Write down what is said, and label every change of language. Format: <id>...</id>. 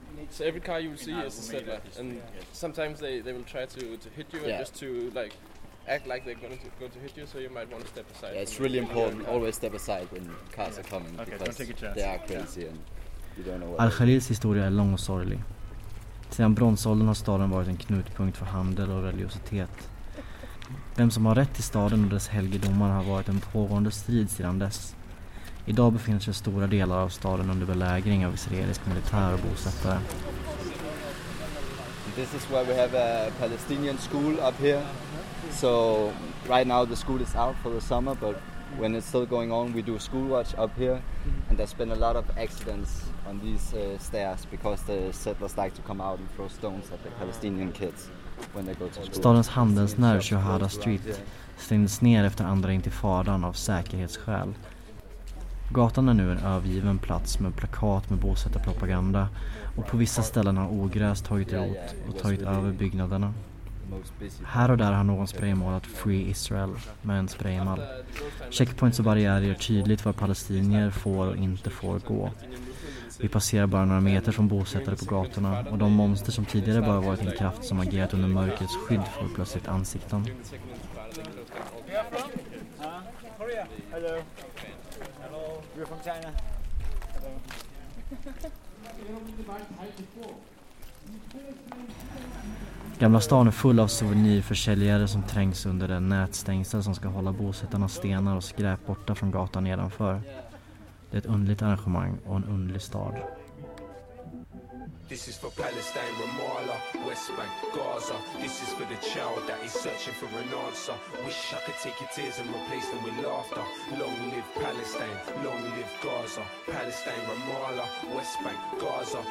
<en>So every car you will see is a settler, and sometimes they will try to hit you, and just to like act like they're going to hit you, so you might want to step aside. Yeah, it's really important, always step aside when cars are coming, because they are crazy and you don't know what.</en> <sv>Al-Khalils historia är lång och sorglig. Sedan bronsåldern har staden varit en knutpunkt för handel och religiositet. Vem som har rätt till staden och dess helgedomar har varit en pågående strid sedan dess. Idag befinner sig stora delar av staden under belägring av israelisk militär och bosättare.</sv> <en>This is where we have a Palestinian school up here. So right now the school is out for the summer, but when it's still going on we do school watch up here, and there's been a lot of accidents on these stairs because the settlers like to come out and throw stones at the Palestinian kids when they go to school.</en> <sv>Stadens handelsnerv Shohada Street stängdes ner efter andra intifadan av säkerhetsskäl. Gatan är nu en övergiven plats med plakat med bosättarpropaganda, och på vissa ställen har ogräs tagit rot och tagit över byggnaderna. Här och där har någon spraymålat</sv> <en>Free Israel</en> <sv>med en spraymall. Checkpoints och barriärer gör tydligt var palestinier får och inte får gå. Vi passerar bara några meter från bosättare på gatorna, och de monster som tidigare bara varit en kraft som agerat under mörkrets skydd får plötsligt ansikten. Gamla stan är full av souvenirförsäljare som trängs under den nätstängsel som ska hålla bosättarnas stenar och skräp borta från gatan nedanför. Det är ett underligt arrangemang och en underlig stad.</sv> <en>This is for Palestine, Ramallah, West Bank, Gaza. This is for the child that is searching for an answer. Wish I could take your tears and replace them with laughter. Long live Palestine, long live Gaza. Palestine, Ramallah, West Bank, Gaza.</en>